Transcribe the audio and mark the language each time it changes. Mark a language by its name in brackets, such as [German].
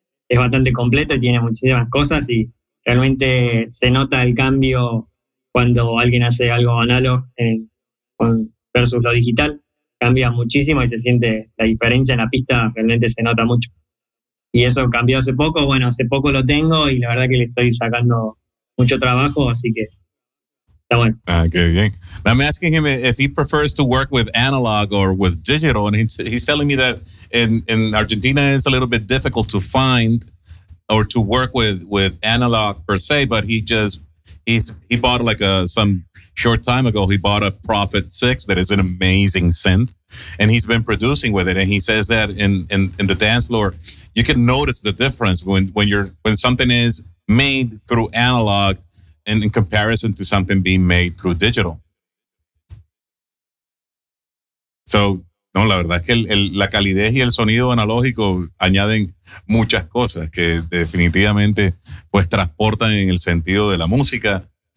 [Spanish] Es bastante completo, tiene muchísimas cosas y realmente se nota el cambio cuando alguien hace algo análogo versus lo digital. Cambia muchísimo y se siente la diferencia en la pista, realmente se nota mucho. Y eso cambió hace poco. Bueno, hace poco lo tengo y la verdad que le estoy sacando mucho trabajo, así que está bueno. Ah, qué bien. [English] I'm asking him if he prefers to work with analog or with digital, and he's telling me that in Argentina it's a little bit difficult to find or to work with analog per se, but he bought like some short time ago, he bought a Prophet 6 that is an amazing synth, and he's been producing with it. And he says that in the dance floor, you can notice the difference when something is made through analog and in comparison to something being made through digital. [Spanish] So, no, la verdad es que la calidez y el sonido analógico añaden muchas cosas que definitivamente pues transportan en el sentido de la música.